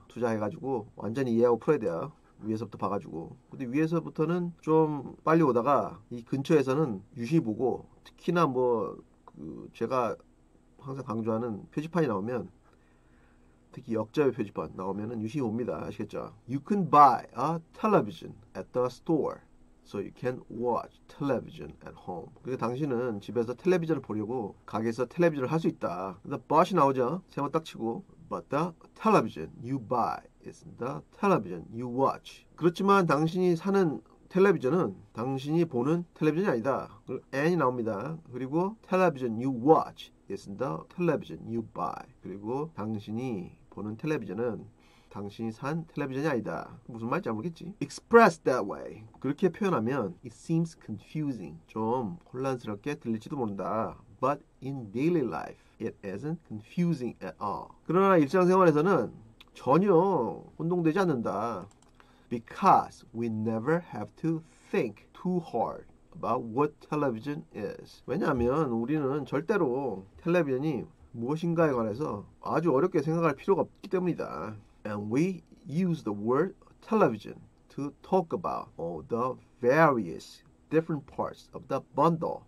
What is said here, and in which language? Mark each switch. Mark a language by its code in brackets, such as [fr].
[ko] 투자해가지고 완전히 이해하고 풀어야 돼요. 위에서부터 봐가지고. 근데 위에서부터는 좀 빨리 오다가 이 근처에서는 유심히 보고 특히나 뭐그 제가 항상 강조하는 표지판이 나오면 특히 역자의 표지판 나오면은 유심히 봅니다. 아시겠죠? [en] You can buy a television at the store. So you can watch television at home. [ko] 그러니까 당신은 집에서 텔레비전을 보려고 가게에서 텔레비전을 할수 있다. 근데 but이 나오죠? 세번딱 치고. [en] But the television you buy is the television you watch. [ko] 그렇지만 당신이 사는 텔레비전은 당신이 보는 텔레비전이 아니다. and이 나옵니다. 그리고 [en] television you watch is the television you buy. [ko] 그리고 당신이 보는 텔레비전은 당신이 산 텔레비전이 아니다. 무슨 말인지 잘 모르겠지? [en] Express that way. [ko] 그렇게 표현하면 [en] It seems confusing. [ko] 좀 혼란스럽게 들릴지도 모른다. [en] But in daily life, it isn't confusing at all. [ko] 그러나 일상생활에서는 전혀 혼동되지 않는다. [en] Because we never have to think too hard about what television is. [ko] 왜냐하면 우리는 절대로 텔레비전이 무엇인가에 관해서 아주 어렵게 생각할 필요가 없기 때문이다. [en] And we use the word television to talk about all the various different parts of the bundle.